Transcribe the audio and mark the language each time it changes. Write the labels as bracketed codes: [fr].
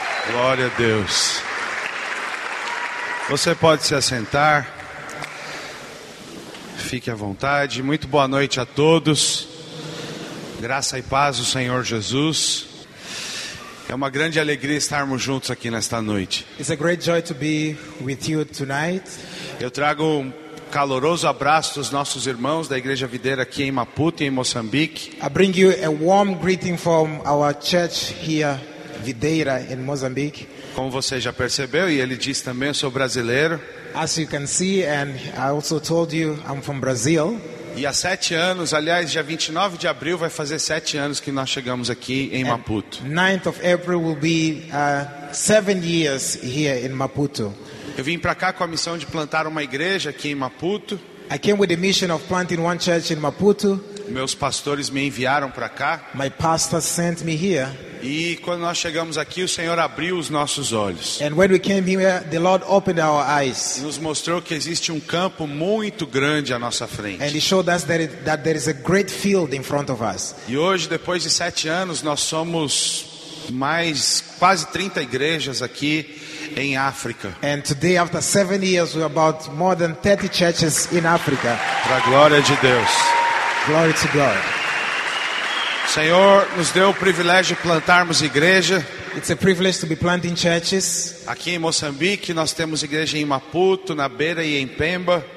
[pt] Glória a Deus. Você pode se assentar. Fique à vontade. Muito boa noite a todos. Graça e paz do Senhor Jesus. É uma grande alegria estarmos juntos aqui nesta noite. [en] It's a great joy to be with you tonight. [pt] Eu trago um caloroso abraço dos nossos irmãos da Igreja Videira aqui em Maputo, em Moçambique. [en] I bring you a warm greeting from our church here, Videira, in Mozambique. [pt] Como você já percebeu, e ele diz também, eu sou brasileiro. [en] As you can see, and I also told you, I'm from Brazil. [pt] E há 7 anos, aliás, dia 29 de abril vai fazer 7 anos que nós chegamos aqui em Maputo. [en] 9th of April will be 7 years here in Maputo. [pt] Eu vim para cá com a missão de plantar uma igreja aqui em Maputo. [en] I came with the mission of planting one church in Maputo. [pt] Meus pastores me enviaram para cá. [en] My pastor sent me here. [pt] E quando nós chegamos aqui, o Senhor abriu os nossos olhos. [en] And when we came here, the Lord opened our eyes. [pt] E nos mostrou que existe um campo muito grande à nossa frente. [en] And he showed us that there is a great field in front of us. [pt] E hoje, depois de 7 anos, nós somos mais quase 30 igrejas aqui em África. [en] And today, after 7 years, we are about more than 30 churches in Africa. [pt] Para a glória de Deus. [en] Glory to God. [pt] O Senhor nos deu o privilégio de plantarmos igreja. [en] It's a privilege to be planting churches. [pt] Aqui em Moçambique nós temos igreja em Maputo, na Beira e em Pemba.